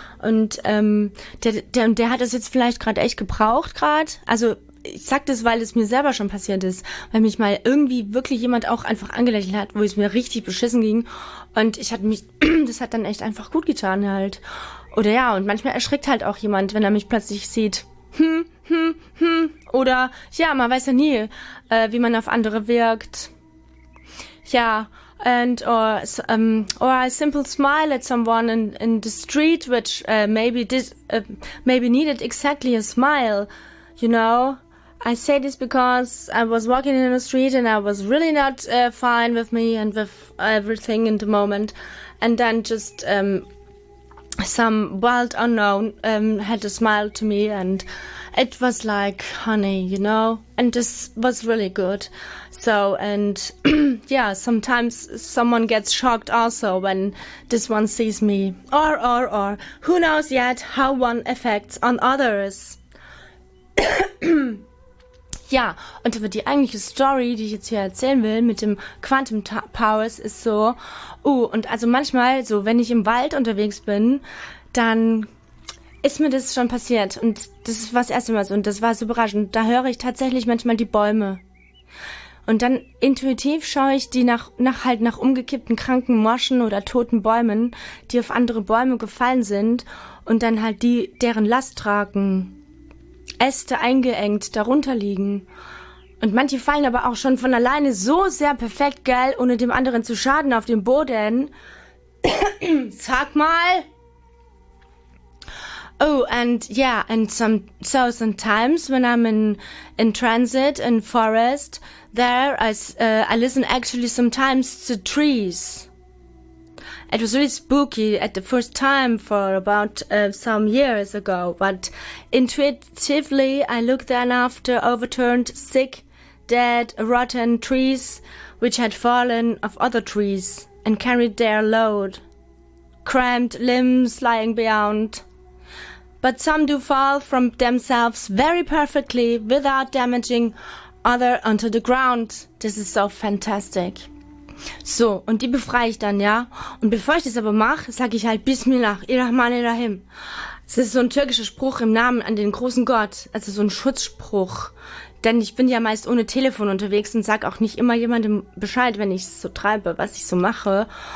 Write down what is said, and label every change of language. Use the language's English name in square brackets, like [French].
[German] Und der hat es jetzt vielleicht gerade echt gebraucht gerade, also ich sag das, weil es mir selber schon passiert ist, weil mich mal irgendwie wirklich jemand auch einfach angelächelt hat, wo es mir richtig beschissen ging und ich hatte mich, das hat dann echt einfach gut getan halt. Oder ja, und manchmal erschrickt halt auch jemand, wenn er mich plötzlich sieht. Oder ja, man weiß ja nie, wie man auf andere wirkt. [English] Ja, and or a simple smile at someone in the street, which maybe needed exactly a smile. You know, I say this because I was walking in the street and I was really not fine with me and with everything in the moment. And then just some wild unknown had a smile to me, and it was like, honey, you know? And this was really good. So, and yeah, sometimes someone gets shocked also when this one sees me. Or, who knows yet how one affects on others. [German] Ja, und aber die eigentliche Story, die ich jetzt hier erzählen will mit dem Quantum Powers, ist so, und also manchmal, so wenn ich im Wald unterwegs bin, dann ist mir das schon passiert. Und das war das erste Mal so, und das war so überraschend. Da höre ich tatsächlich manchmal die Bäume. Und dann intuitiv schaue ich die nach umgekippten kranken Moschen oder toten Bäumen, die auf andere Bäume gefallen sind und dann halt die, deren Last tragen. Äste eingeengt, darunter liegen. Und manche fallen aber auch schon von alleine so sehr perfekt, gell, ohne dem anderen zu schaden, auf dem Boden. Sag mal! [English] Oh, and yeah, and sometimes when I'm in transit, in forest, there, I listen actually sometimes to trees. It was really spooky at the first time for about some years ago, but intuitively I looked then after overturned, sick, dead, rotten trees which had fallen off other trees and carried their load, cramped limbs lying beyond. But some do fall from themselves very perfectly without damaging other onto the ground. This is so fantastic. [German] So, und die befreie ich dann, ja. Und bevor ich das aber mache, sage ich halt [Arabic] Bismillah, Irrahman Irrahim. [German] Das ist so ein türkischer Spruch im Namen an den großen Gott. Also so ein Schutzspruch. Denn ich bin ja meist ohne Telefon unterwegs und sag auch nicht immer jemandem Bescheid, wenn ich es so treibe, was ich so mache.